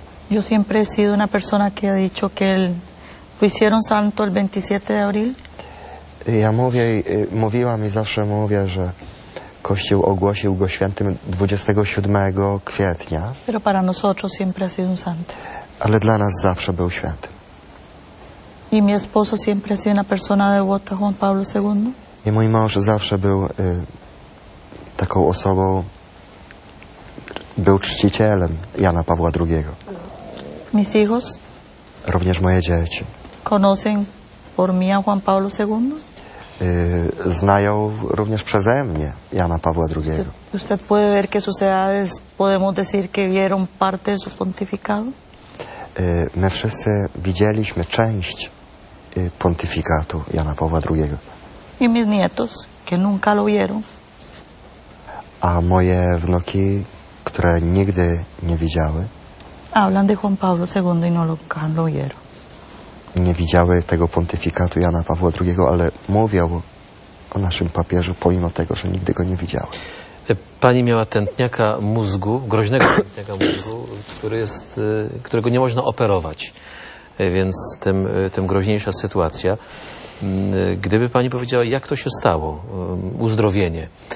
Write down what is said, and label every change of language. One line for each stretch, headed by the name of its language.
Spanish: Yo siempre he sido una persona que ha dicho que él hicieron santo el 27 de abril.
Polish: Ja mówiłam i zawsze mówię, że Kościół ogłosił go świętym 27 kwietnia.
Spanish: Pero para nosotros siempre ha sido un santo.
Polish: Ale dla nas zawsze był świętym.
Spanish: Y mi esposo siempre ha sido una persona devota Juan Pablo II.
Polish: I mój mąż zawsze był taką osobą, był czcicielem Jana Pawła II.
Spanish: Mis hijos.
Polish: Również moje dzieci.
Spanish: Conocen por mí a Juan Pablo II?
Polish: Znają również przeze mnie Jana Pawła II.
Spanish: Usted puede ver que sus edades podemos decir que vieron parte de su pontificado?
Polish: My wszyscy widzieliśmy część pontyfikatu Jana Pawła II.
Spanish: Y mis nietos, que nunca lo vieron.
Polish: A moje wnuki, które nigdy nie widziały?
Spanish: Hablan de Juan Pablo II y no lo han lo vieron.
Polish: Nie widziały tego pontyfikatu Jana Pawła II, ale mówią o naszym papieżu, pomimo tego, że nigdy go nie widziały. Pani miała tętniaka mózgu, groźnego tętniaka mózgu, którego nie można operować. Więc tym groźniejsza sytuacja. Gdyby pani powiedziała, jak to się stało, uzdrowienie.